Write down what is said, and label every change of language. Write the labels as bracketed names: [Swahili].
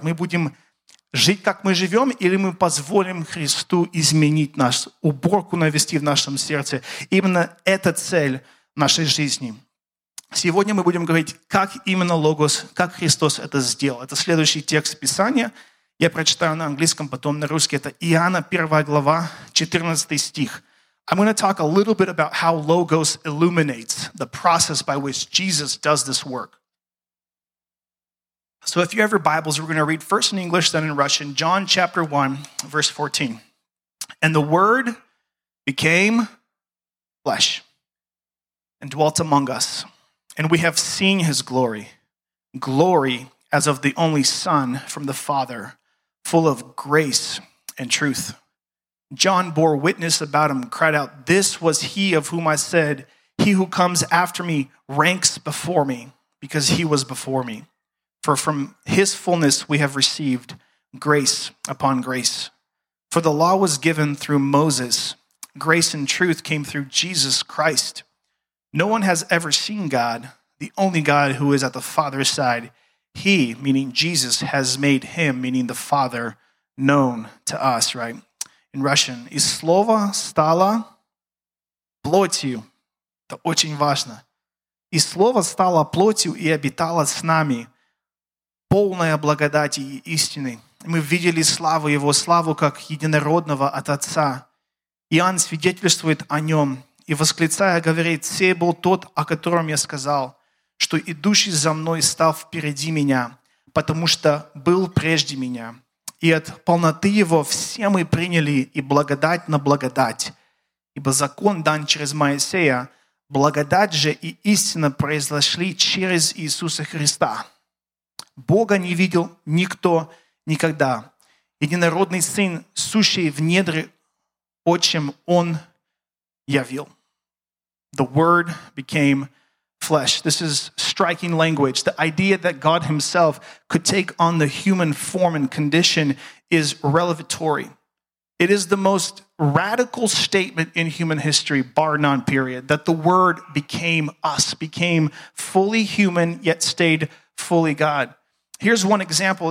[Russian] Мы будем жить, как мы живем, или мы позволим Христу изменить нас, уборку навести в нашем сердце. Именно это цель нашей жизни. Сегодня мы будем говорить, как именно Логос, как Христос это сделал. Это следующий текст Писания. Я прочитаю на английском, потом на русский. Это Иоанна 1 глава, 14 стих. [English] I'm going to talk a little bit about how Logos illuminates the process by which Jesus does this work. So if you have your Bibles, we're going to read first in English, then in Russian, John chapter 1, verse 14. And the Word became flesh and dwelt among us, and we have seen His glory, glory as of the only Son from the Father, full of grace and truth. John bore witness about him, cried out, This was he of whom I said, He who comes after me ranks before me, because he was before me. For from his fullness we have received grace upon grace. For the law was given through Moses. Grace and truth came through Jesus Christ. No one has ever seen God, the only God who is at the Father's side. He, meaning Jesus, has made him, meaning the Father, known to us, right? In Russian, [Russian] и слово стало плотью. Это очень важно. И слово стало плотью и обитало с нами. Полная благодати и истины. Мы видели славу Его, славу как единородного от Отца. Иоанн свидетельствует о Нем и, восклицая, говорит, «Сей был тот, о котором я сказал, что идущий за мной стал впереди меня, потому что был прежде меня». И от полноты Его все мы приняли и благодать на благодать. Ибо закон дан через Моисея, благодать же и истина произошли через Иисуса Христа. Бога не видел никто никогда. Единородный Сын, сущий в недре, Отчим Он явил. [English] The Word became flesh. This is striking language. The idea that God Himself could take on the human form and condition is revelatory. It is the most radical statement in human history, bar none, period, that the Word became us, became fully human, yet stayed fully God. Here's one example.